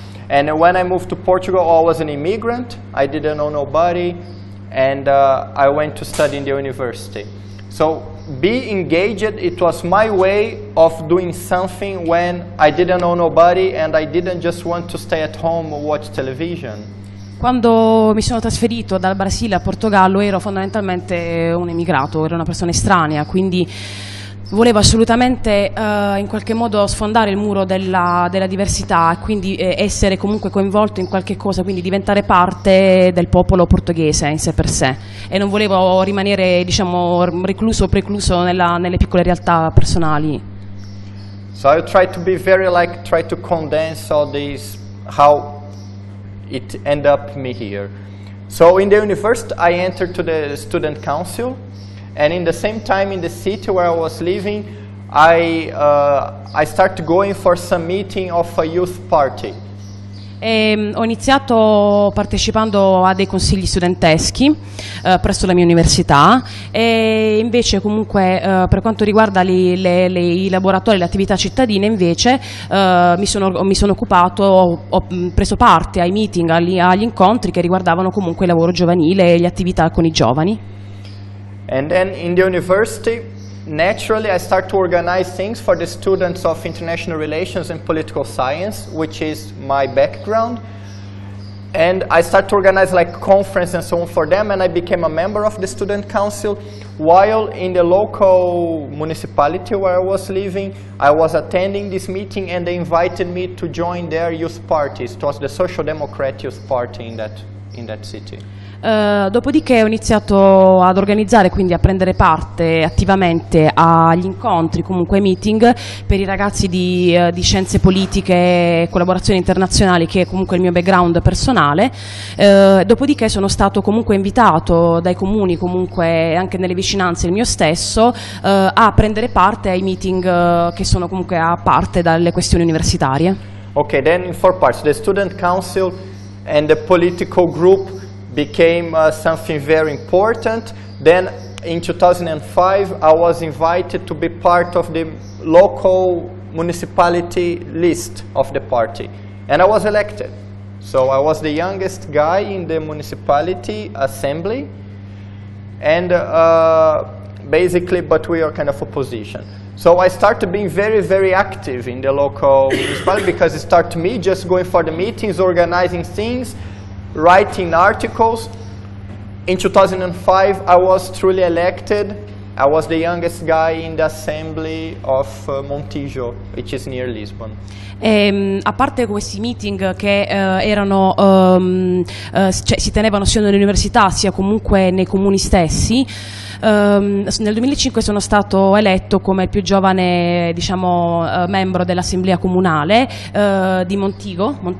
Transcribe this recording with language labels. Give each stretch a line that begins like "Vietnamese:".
English: And when I moved to Portugal, I was an immigrant. I didn't know nobody. And I went to study in the university. So be engaged, it was my way of doing something when I didn't know nobody and I didn't just want to stay at home or watch television.
Italian: Quando mi sono trasferito dal Brasile a Portogallo, ero fondamentalmente un emigrato, ero una persona estranea, quindi volevo assolutamente in qualche modo sfondare il muro della diversità e quindi essere comunque coinvolto in qualche cosa, quindi diventare parte del popolo portoghese in sé per sé, e non volevo rimanere, diciamo, recluso o precluso nelle piccole realtà personali.
English: So I try to be very, like, try to condense all this, how it end up me here. So in the university I entered to the student council. And in the same time, in the city where I was living, I started going for some meeting of a youth party.
Italian: Ho iniziato partecipando a dei consigli studenteschi presso la mia università, e invece comunque per quanto riguarda i laboratori e le attività cittadine, invece mi sono occupato, ho preso parte ai meeting, agli incontri che riguardavano comunque il lavoro giovanile e le attività con i giovani.
English: And then in the university, naturally, I start to organize things for the students of international relations and political science, which is my background. And I start to organize, like, conference and so on for them, and I became a member of the student council. While in the local municipality where I was living, I was attending this meeting and they invited me to join their youth parties. It was the Social Democrat Youth Party in that city.
Italian: Dopodiché ho iniziato ad organizzare, quindi a prendere parte attivamente agli incontri, comunque meeting, per i ragazzi di scienze politiche e collaborazioni internazionali, che è comunque il mio background personale. Dopodiché sono stato comunque invitato dai comuni, comunque anche nelle vicinanze il mio stesso, a prendere parte ai meeting che sono comunque a parte dalle questioni universitarie.
English: Ok, then in four parts, the student council and the political group became something very important. Then in 2005 I was invited to be part of the local municipality list of the party, and I was elected. So I was the youngest guy in the municipality assembly, and basically, but we are kind of opposition. So I started being very, very active in the local municipality, because it started me just going for the meetings, organizing things, writing articles. In 2005 I was truly elected. I was the youngest guy in the assembly of Montijo, which is near Lisbon.
Italian: A parte questi meeting che erano cioè si tenevano sia nelle università sia comunque nei comuni stessi, nel 2005 sono stato eletto come il più giovane, diciamo, membro dell'assemblea comunale di Montijo.